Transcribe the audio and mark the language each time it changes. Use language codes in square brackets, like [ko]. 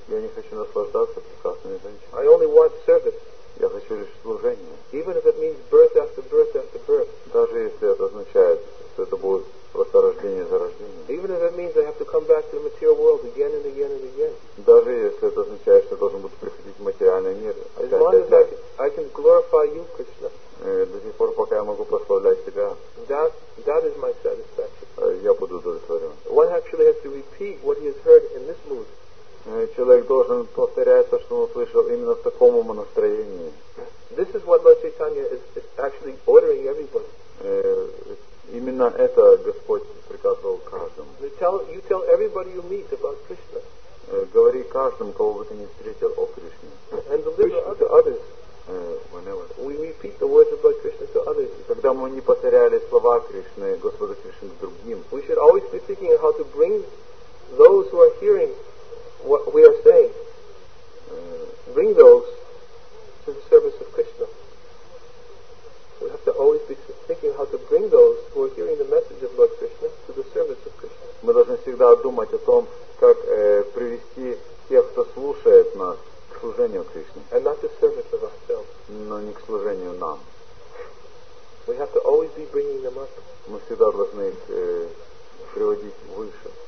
[ru] Я не хочу наслаждаться прекрасными женщинами. [en] I only want service. [ru] Я хочу лишь служение. [en] Even if it means birth after birth after birth. [ru] Даже если это означает, что это будет просто рождение за рождением. [en] Even if it means I have to come back to the material world again and again and again. [ru] Даже если это означает, что должен буду приходить в материальный мир. [en] As long as I can glorify you, Krishna. [ru] До сих пор, пока я могу прославлять тебя. [en] That is my satisfaction. [ru] Я буду удовлетворен. [en] One actually has to repeat what he has heard in this mood. [ru] Человек должен повторять то, что он услышал именно в таком ему настроении. [en] This is what Lord Chaitanya is actually ordering everybody. [ru] Именно это Господь приказывал каждому. [en] You tell everybody you meet about Krishna. [ru] Говори каждому, кого бы ты не встретил, о Кришне. [en] And deliver to others. Whenever. We repeat the words of Lord Krishna to others. [ru] Когда мы не повторяли слова Кришны, Господа Кришны другим. [en] We should always be thinking how to bring those who are hearing what we are saying. Bring those to the service of Krishna. We have to always be thinking how to bring those who are hearing the message of Lord Krishna to the service of Krishna. [ru] Мы должны всегда думать о том, как привести тех, кто слушает нас, к служению Кришне. [en] And not to service of ourselves. [ru] Но не к служению нам. [en] We have to always be bringing them up. [ru] Мы всегда должны их приводить выше.